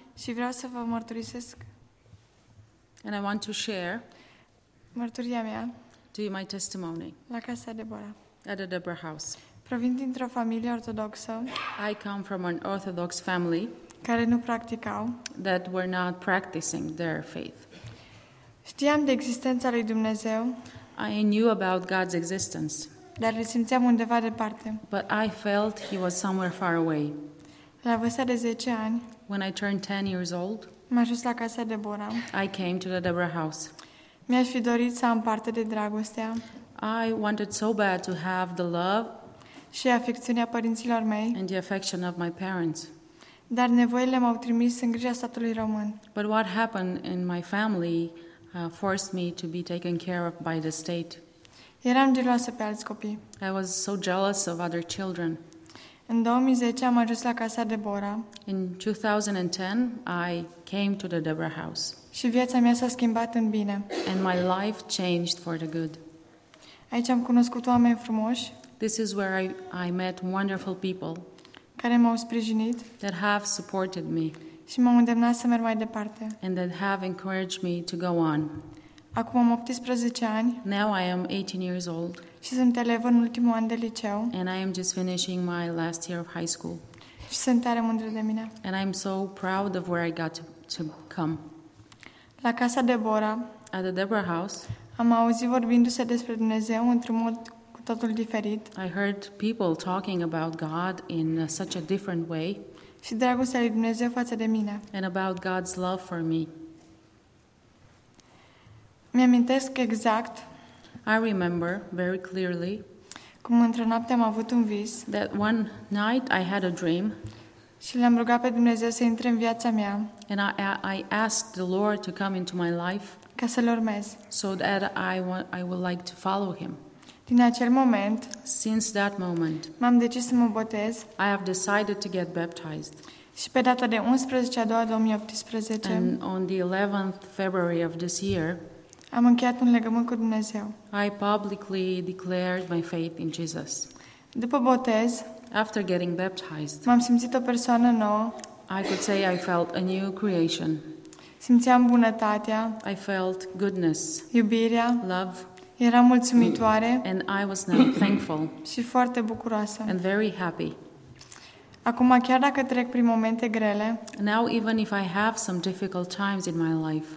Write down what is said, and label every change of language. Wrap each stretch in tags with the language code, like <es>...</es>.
<ro>Și vreau să vă mărturisesc.</ro> <en>And I want to share.</en> <ro>Mărturia mea.</ro> <en>To you my testimony.</en> <ro>La Casa Deborah.</ro> <en>At the Deborah House.</en> <ro>Provin dintr-o familie ortodoxă.</ro> <en>I come from an Orthodox family.</en> <ro>Care nu practicau.</ro> <en>That were not practicing their faith.</en> <ro>Știam de existența lui Dumnezeu.</ro> <en>I knew about God's existence.</en> <ro>Dar îl simțeam undeva departe.</ro> <en>But I felt he was somewhere far away.</en> <ro>La vârsta de 10 ani,</ro> <en>when I turned 10 years old,</en> <ro>m-am ajuns la Casa Deborah.</ro> <en>I came to the Deborah House.</en> <ro>Mi-aș fi dorit să am parte de dragostea.</ro> <en>I wanted so bad to have the love</en> <ro>și afecțiunea părinților mei.</ro> <en>And the affection of my parents.</en> <ro>Dar nevoile m-au trimis în grija statului român.</ro> <en>But what happened in my family forced me to be taken care of by the state.</en> <ro>Eram geloasă pe alți copii.</ro> <en>I was so jealous of other children.</en> <ro>În 2010 am ajuns la Casa Deborah.</ro> <en>In 2010, I came to the Deborah House.</en> <ro>Și viața mea s-a schimbat în bine.</ro> <en>And my life changed for the good.</en> <ro>Aici am cunoscut oameni frumoși.</ro> <en>This is where I met wonderful people.</en> <ro>Care m-au sprijinit.</ro> <en>That have supported me.</en> <ro>Și m-au îndemnat să merg mai departe.</ro> <en>And that have encouraged me to go on.</en> <ro>Acum am 18 ani.</ro> <en>Now I am 18 years old.</en> <ro>Și sunt elev în ultimul an de liceu.</ro> <en>And I am just finishing my last year of high school.</en> <ro>Și sunt tare mândră de mine.</ro> <en>And I'm so proud of where I got to come.</en> <ro>La Casa Deborah.</ro> <en>At the Deborah House.</en> <ro>Am auzit vorbindu-se despre Dumnezeu într-un mod cu totul diferit.</ro> <en>I heard people talking about God in such a different way.</en> <ro>Și dragostea lui Dumnezeu față de mine.</ro> <en>And about God's love for me.</en> <ro>Mi-amintesc exact.</ro> <en>I remember very clearly.</en> <ro>Cum într-o noapte am avut un vis.</ro> <en>That one night I had a dream.</en> <ro>Și l-am rugat pe Dumnezeu să intre în viața mea.</ro> <en>And I asked the Lord to come into my life.</en> <ro>Ca să-l urmez.</ro> <en>So that I would like to follow him.</en> <ro>Din acel moment.</ro> <en>Since that moment.</en> <ro>M-am decis să mă botez.</ro> <en>I have decided to get baptized.</en> <ro>Și pe data de 11/2/2018.</ro> <en>And on the 11th February of this year.</en> <ro>Am încheiat un legământ cu Dumnezeu.</ro> <en>I publicly declared my faith in Jesus.</en> <ro>După botez,</ro> <en>after getting baptized,</en> <ro>m-am simțit o persoană nouă.</ro> <en>I could say I felt a new creation.</en> <ro>Simțeam bunătatea.</ro> <en>I felt goodness.</en> <ro>Iubirea.</ro> <en>Love.</en> <ro>Eram mulțumitoare.</ro> <en>And I was now thankful.</en> <ro>Și foarte bucuroasă.</ro> <en>And very happy.</en> <ro>Acum, chiar dacă trec prin momente grele,</ro> <en>now, even if I have some difficult times in my life,</en>